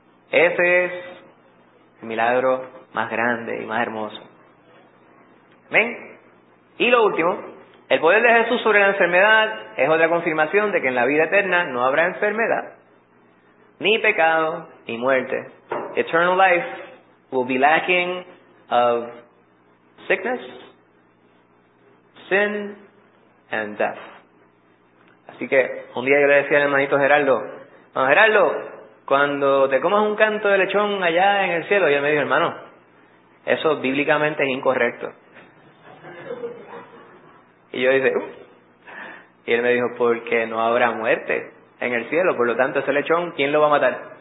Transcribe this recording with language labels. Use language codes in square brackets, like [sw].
[es] Ese es el milagro más grande y más hermoso. ¿Ven? Y lo último, el poder de Jesús sobre la enfermedad es otra confirmación de que en la vida eterna no habrá enfermedad, ni pecado, ni muerte. [en] Eternal life will be lacking of sickness, sin, and death. [es] Así que un día yo le decía al hermanito Geraldo, hermano Geraldo, cuando te comas un canto de lechón allá en el cielo, y él me dijo, hermano, eso bíblicamente es incorrecto. Y yo dije, y él me dijo, porque no habrá muerte en el cielo, por lo tanto ese lechón, ¿quién lo va a matar?